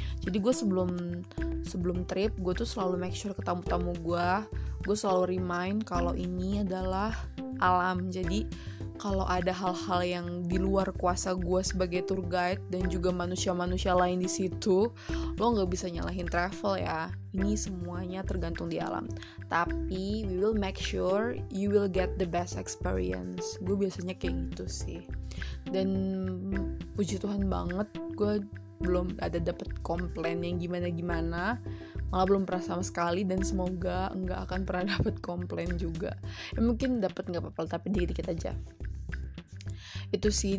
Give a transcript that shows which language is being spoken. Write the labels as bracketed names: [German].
[Indonesian] Jadi gue sebelum trip, gue tuh selalu [English] make sure [Indonesian] ke tamu-tamu gue, gue selalu remind kalau ini adalah alam. Jadi kalau ada hal-hal yang di luar kuasa gue sebagai tour guide dan juga manusia-manusia lain di situ, lo gak bisa nyalahin travel ya. Ini semuanya tergantung di alam. Tapi [English] we will make sure you will get the best experience. [Indonesian] Gue biasanya kayak gitu sih. Dan puji Tuhan banget gue belum ada dapet komplain yang gimana-gimana, malah belum pernah sama sekali, dan semoga enggak akan pernah dapet komplain juga. Ya mungkin dapet enggak apa-apa, tapi dikit-dikit aja. Itu sih.